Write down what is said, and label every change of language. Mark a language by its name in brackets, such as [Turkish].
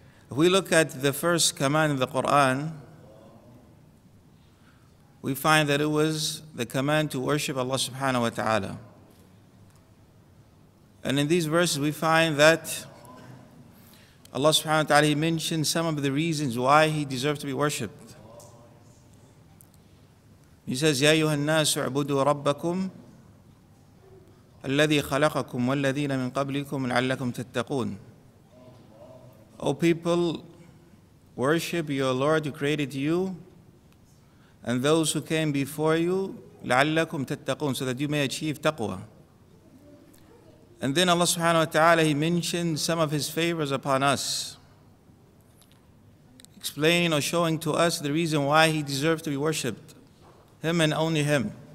[English] If we look at the first command in the Quran, we find that it was the command to worship Allah subhanahu wa ta'ala. And in these verses, we find that Allah subhanahu wa ta'ala, He mentioned some of the reasons why He deserves to be worshipped. He says, [Arabic] يَا أَيُّهَا النَّاسُ اعْبُدُوا رَبَّكُمْ الَّذِي خَلَقَكُمْ وَالَّذِينَ مِنْ قَبْلِكُمْ لَعَلَّكُمْ تَتَّقُونَ. [English] O people, worship your Lord who created you and those who came before you, [Arabic] لَعَلَّكُمْ تَتَّقُونَ, [English] so that you may achieve taqwa. And then Allah subhanahu wa ta'ala, He mentioned some of His favors upon us, explaining or showing to us the reason why He deserved to be worshipped, Him and only Him.